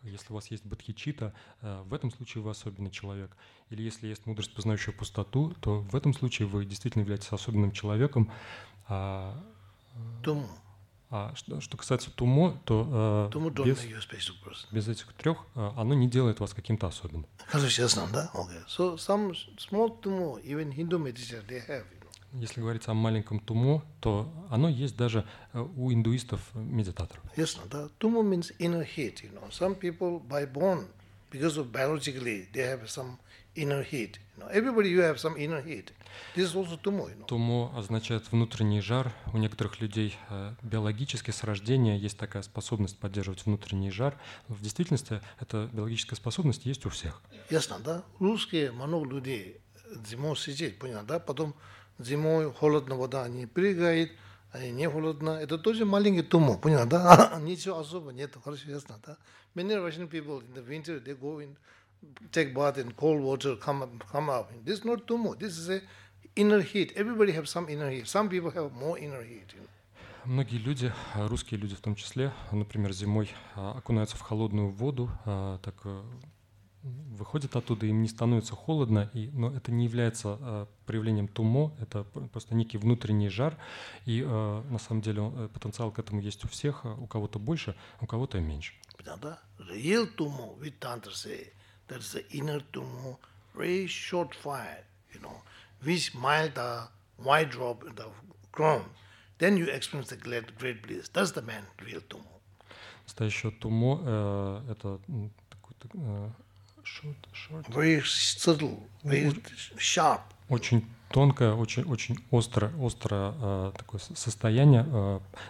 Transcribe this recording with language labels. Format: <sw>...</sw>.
<ru>Если у вас есть бодхичитта, в этом случае вы особенный человек. Или если есть мудрость, познающая пустоту, то в этом случае вы действительно являетесь особенным человеком. Тумо. А что касается тумо, то без этих трех оно не делает вас каким-то особенным.</ru> <en>So some small tumo, even Hindu meditators, they have.</en> <ru>Если говорить о маленьком тумо, то оно есть даже у индуистов медитаторов.</ru> <en>Yes, no, tumo means inner heat. You know, some people by born because of biologically they have some inner heat. You know, everybody you have some inner heat. This is also tumo. You know.</en> <ru>Тумо означает внутренний жар. У некоторых людей биологически с рождения есть такая способность поддерживать внутренний жар. В действительности эта биологическая способность есть у всех.</ru> <en>Yes, no, да.</en> <ru>Русские много людей зимой сидят, понятно, да? Потом зимой холодно, вода не прыгает, а не холодно. Это тоже маленький тумо, понятно, да? Ничего особо нет, хорошо, ясно, да?</ru> <en>Many Russian people in the winter, they go in, take bath in cold water, come up. This is not tumo, this is a inner heat. Everybody have some inner heat. Some people have more inner heat, you know?</en> <ru>Многие люди, русские люди в том числе, например, зимой окунаются в холодную воду, так выходят оттуда, им не становится холодно, но это не является проявлением тумо, это просто некий внутренний жар, и на самом деле потенциал к этому есть у всех, у кого-то больше, у кого-то меньше. Да-да,</ru> <en>real tumo, we tantra say, that is the inner tumo, very short fire, you know, which mild the white drop in the crown, then you experience the great bliss. That's the man, real tumo.</en> <ru>Настоящее тумо, это такой</ru> <en>Short, very subtle, very sharp.</en> <ru>Очень тонкое, очень острое, такое состояние.</ru>